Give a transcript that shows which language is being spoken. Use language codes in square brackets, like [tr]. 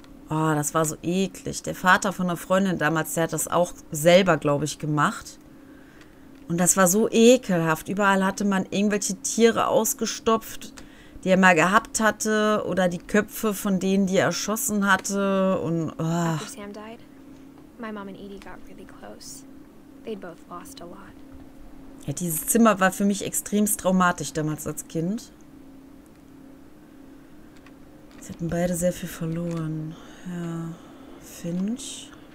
[de] Oh, das war so eklig. Der Vater von einer Freundin damals, der hat das auch selber, glaube ich, gemacht. Und das war so ekelhaft. Überall hatte man irgendwelche Tiere ausgestopft, die er mal gehabt hatte. Oder die Köpfe von denen, die er erschossen hatte. Und, oh. [en] After Sam died, my mom and Edie got really close. They'd both lost a lot. [de] Ja, dieses Zimmer war für mich extremst traumatisch damals als Kind. Sie hatten beide sehr viel verloren. Ja, Finch.